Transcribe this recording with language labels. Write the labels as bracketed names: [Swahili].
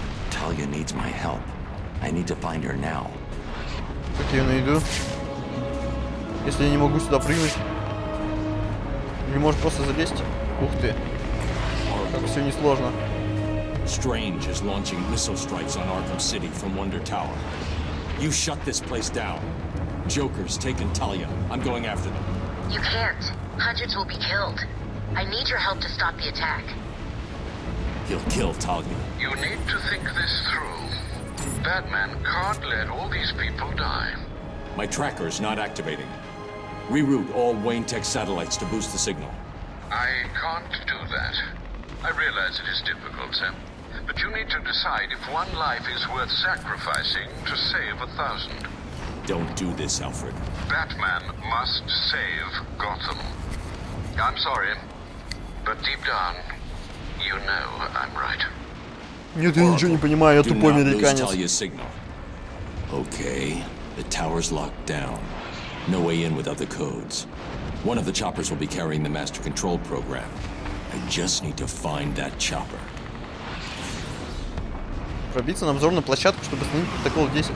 [English] Talia needs my help. I need to find her now. [Russian] Как я ее найду? Если я не могу сюда прыгнуть. Или можешь просто залезть? Ух ты. Как все несложно. [English] Strange is launching missile strikes on Arkham City from Wonder Tower. You shut this place down. Joker's taken Talia. I'm going after them. You can't. Hundreds will be killed. I need your help to stop the attack. He'll kill Talia. You need to think this through. Batman can't let all these people die. My tracker is not activating. Reroute all Wayne Tech satellites to boost the signal. I can't do that. I realize it is difficult, Sam. But you need to decide if one life is worth sacrificing to save a thousand. Don't do this, Alfred. Batman must save Gotham. I'm sorry, but deep down, you know I'm right. [Russian] Нет, я ничего не понимаю, я тупой американец. [English] Okay, the tower's locked down. No way in without the codes. One of the choppers will be carrying the master control program. I just need to find that chopper. [Russian] Пробиться на обзорную площадку, чтобы снять протокол